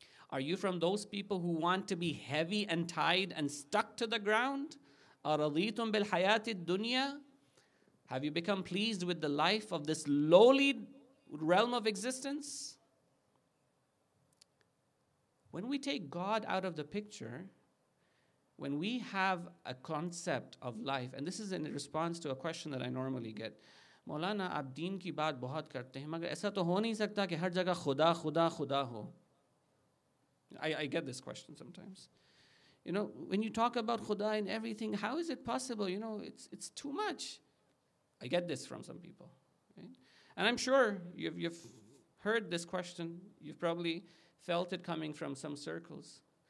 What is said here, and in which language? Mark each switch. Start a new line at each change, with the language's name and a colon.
English: Are you from those people who want to be heavy and tied and stuck to the ground?
Arabic: Araditum bil hayati dunya?
English: Have you become pleased with the life of this lowly realm of existence? When we take God out of the picture, when we have a concept of life, and this is in response to a question that I normally get,
Urdu: مولانا آپ دین کی بات بہت کرتے ہیں مگر ایسا تو ہو نہیں سکتا کہ ہر جگہ خدا خدا خدا ہو.
English: I get this question sometimes. You know, when you talk about خدا and everything, how is it possible? You know, it's too much. I get this from some people. And I'm sure you've heard this question. You've probably felt it coming from some circles.